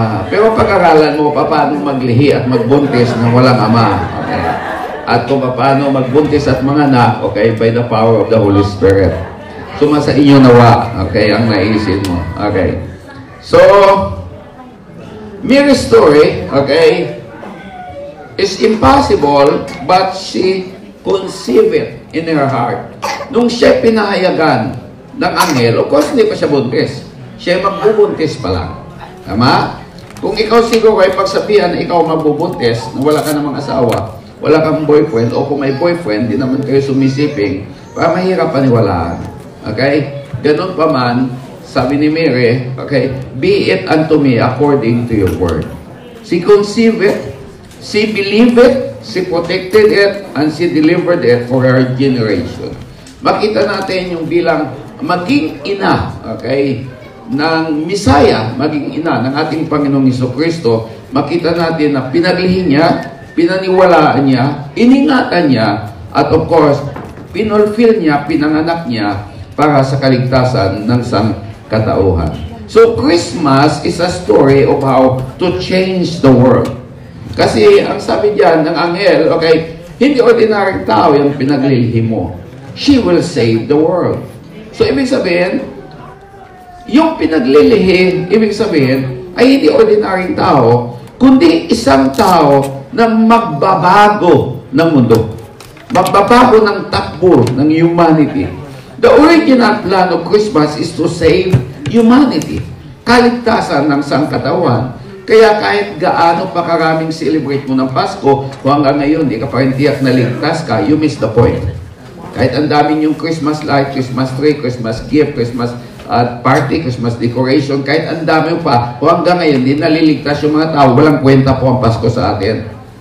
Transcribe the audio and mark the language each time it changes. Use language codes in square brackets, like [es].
[tl] Pero pag-aralan mo pa paano maglihi at magbuntis ng walang ama. [en] Okay. [tl] At kung paano magbuntis at manganak, [en] okay, by the power of the Holy Spirit. [tl] Suma sa inyo nawa, okay, ang naisip mo. [en] Okay. So, Mary's story, okay, is impossible, but she conceived it in her heart. [tl] Nung siya pinahayagan ng anghel, of course, hindi pa siya buntis. Siya magbubuntis pa lang. Tama? Kung ikaw siguro ay pagsabihan na ikaw magbubuntis, na wala ka namang asawa, wala kang boyfriend, o kung may boyfriend, di naman kayo sumisiping, para mahirap paniwalaan. Okay? Ganun pa man, sabi ni [en] Mary, okay, be it unto me according to your word. She conceived it, she believed it, she protected it, and she delivered it for her generation. [tl] Makita natin yung bilang maging ina, okay, ng Messiah, maging ina ng ating Panginoong Hesukristo, makita natin na pinaglihi niya, pinaniwalaan niya, iningatan niya, at of course, pinulfill niya, pinanganak niya para sa kaligtasan ng sangkatauhan. [en] So, Christmas is a story of how to change the world. [tl] Kasi ang sabi diyan ng anghel, okay, hindi ordinaryong tao yung pinaglilihi mo. [en] She will save the world. [tl] So, ibig sabihin, yung pinaglilihi, ibig sabihin, ay hindi ordinaryong tao, kundi isang tao na magbabago ng mundo. Magbabago ng takbo ng humanity. [en] The original plan of Christmas is to save humanity. [tl] Kaligtasan ng sangkatauhan. Kaya kahit gaano pa karaming celebrate mo ng Pasko, kung hanggang ngayon, di ka pa rin tiyak na ligtas ka, [en] you miss the point. [tl] Kahit ang daming yung Christmas light, Christmas tree, Christmas gift, Christmas party, Christmas decoration, kahit ang dami pa, kung hanggang ngayon, di naliligtas yung mga tao, walang kwenta po ang Pasko sa atin.